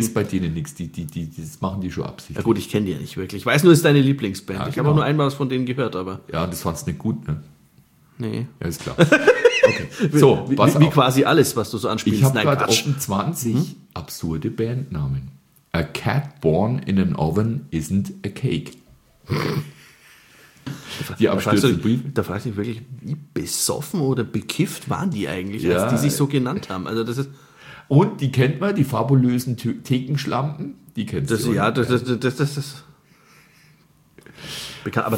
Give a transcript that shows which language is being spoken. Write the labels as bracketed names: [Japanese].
[German] Ist bei denen nichts, das machen die schon absichtlich. Ja gut, ich kenne die ja nicht wirklich. Ich weiß nur, es ist deine Lieblingsband. Ja, genau. Ich habe auch nur einmal was von denen gehört, aber. Ja, das fand's nicht gut, ne? Nee. Ja, ist klar. Okay. So, wie quasi alles, was du so anspielst. Ich habe gerade 28 absurde Bandnamen. [English] A cat born in an oven isn't a cake. [German] Da frage ich mich wirklich, wie besoffen oder bekifft waren die eigentlich, als die sich so genannt haben? Also das ist, und die kennt man, die fabulösen Thekenschlampen, die kennst du. Ja, das ist... bekannt. Aber